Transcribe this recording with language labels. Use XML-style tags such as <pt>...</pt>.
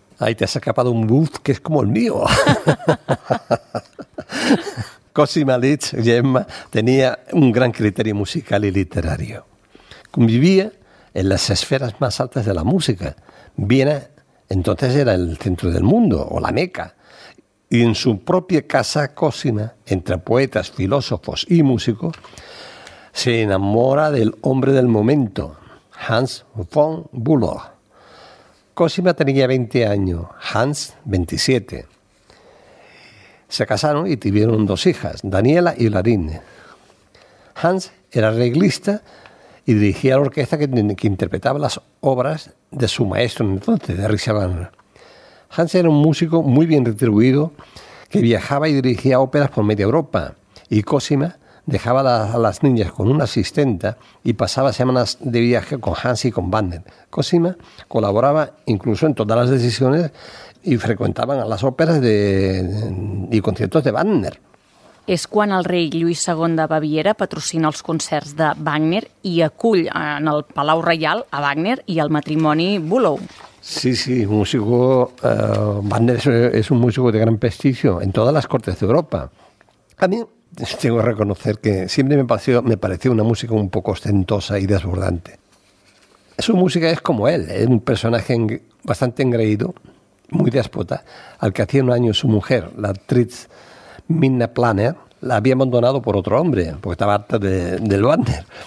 <ca>Ai, t'has escapat un buf que és com el mío. Cosima Liszt, Gemma, tenia un gran criteri musical i literari. Convivia en les esferes més altes de la música.</ca> <es>Viena, entonces, era el centro del mundo, o la Meca. Y en su propia casa, Cosima, entre poetas, filósofos y músicos, se enamora del hombre del momento, Hans von Bülow. Cosima tenía 20 años, Hans 27. Se casaron y tuvieron 2 hijas, Daniela y Larine. Hans era arreglista y dirigía la orquesta que interpretaba las obras de su maestro entonces, de Richard Wagner. Hans era un músico muy bien retribuido que viajaba y dirigía óperas por media Europa, y Cosima dejaba a las niñas con una asistenta y pasaba semanas de viaje con Hans y con Wagner. Cosima colaboraba incluso en todas las decisiones y frecuentaban las óperas y conciertos de Wagner.</es> <ca>És quan el rei Lluís II de Baviera patrocina els concerts de Wagner i acull en el Palau Reial a Wagner i el matrimoni Bülow. Sí, sí, músico, Wagner és un músico de gran prestigio en totes les cortes d'Europa.</ca> <es>A mi tengo que reconocer que siempre me pareció una música un poco ostentosa y desbordante. Su música es como él, es un personaje bastante engreído, muy déspota, al que hacía un año su mujer, la actriz Minna Planer, la había abandonado por otro hombre, porque estaba harta del Wagner.</es>